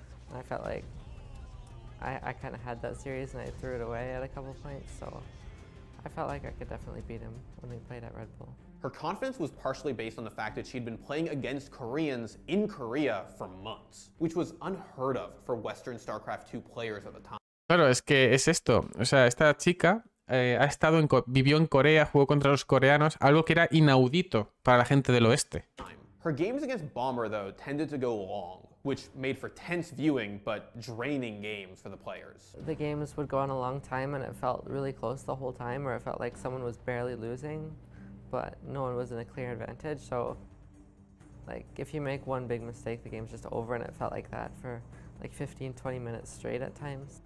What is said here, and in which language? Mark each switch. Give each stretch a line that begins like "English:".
English: And I felt like I kind of had that series and I threw it away at a couple points, so I felt like I could definitely beat him when we played at Red Bull. Her confidence was partially based on the fact that she'd been playing against Koreans in Korea for months, which was unheard of for Western StarCraft II players at the time.
Spanish: Claro, es que es esto. O sea, esta chica ha estado en, vivió en Corea, jugó contra los coreanos, algo que era inaudito para la gente del oeste.
English: Her games against Bomber, though, tended to go long, which made for tense viewing but draining games for the players. The games would go on a long time and it felt really close the whole time, or it felt like someone was barely losing, but no one was in a clear advantage. So, like, if you make one big mistake, the game's just over, and it felt like that for like 15, 20 minutes straight at times.